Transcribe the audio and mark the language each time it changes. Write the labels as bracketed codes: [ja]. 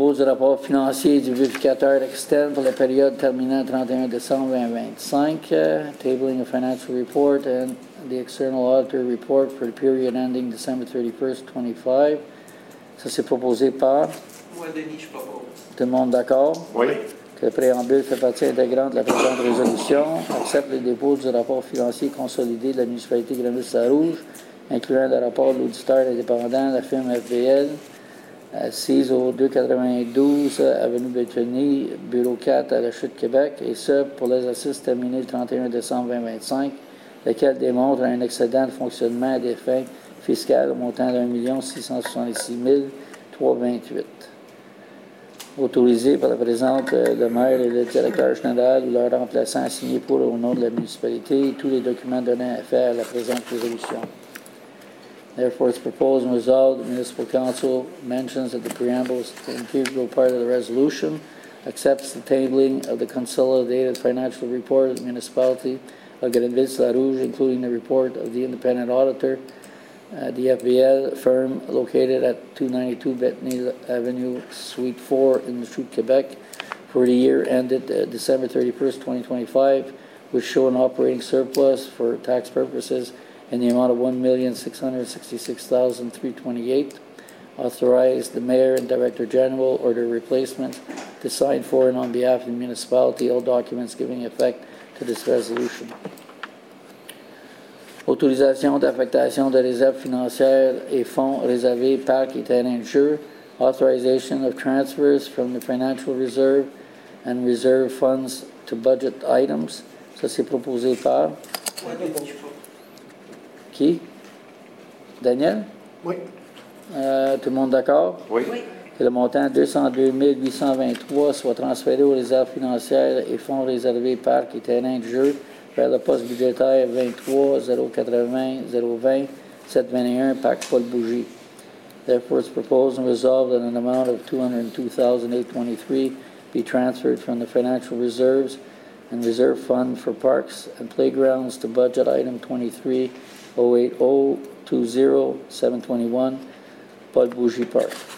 [fr] Dépôt du rapport financier du vérificateur externe pour la période terminant 31 décembre 2025. [en] Tabling of financial report and the external auditor report for the period ending December 31st, 25. [fr] Ça, c'est proposé par... Moi, Denis, je propose. Tout le monde d'accord? Oui. Que le préambule fait partie intégrante de la présente résolution, accepte le dépôt du rapport financier consolidé de la municipalité Grenville-Sarrouge, incluant le rapport de l'auditeur indépendant, la firme FBL, assise au 292 Avenue Bétheny, bureau 4 à la Chute Québec, et ce, pour l'exercice terminé le 31 décembre 2025, lequel démontre un excédent de fonctionnement à des fins fiscal au montant d'un 1,666,328. Autorisé par la présente le maire et le directeur général, leur remplaçant signé pour au nom de la municipalité tous les documents donnant effet à la présente résolution. [en] Therefore, it's proposed and resolved the Municipal Council mentions that the preamble is an integral part of the resolution, accepts the tabling of the consolidated financial report of the municipality of Grenville-Sarrouge, including the report of the independent auditor. The FBL firm located at 292 Bétheny Avenue, Suite 4 in the Chute, Quebec, for the year ended December 31st, 2025, which show an operating surplus for tax purposes in the amount of $1,666,328. Authorized the mayor and director general or their replacement to sign for and on behalf of the municipality all documents giving effect to this resolution. [fr] Autorisation d'affectation de réserves financières et fonds réservés parcs et terrains de jeu. [en] Authorization of transfers from the financial reserve and reserve funds to budget items. [fr] Ça, c'est proposé par... Qui? Daniel? Oui. Tout le monde d'accord? Oui. que le montant 202 823 soit transféré aux réserves financières et fonds réservés parcs et terrains de jeu vers le poste budgétaire 23-080-020-721, PAC Paul Bougie. [en] Therefore, it's proposed and resolved that an amount of $202,823 be transferred from the financial reserves and reserve fund for parks and playgrounds to budget item 23-080-20-721, Paul Bougie Park.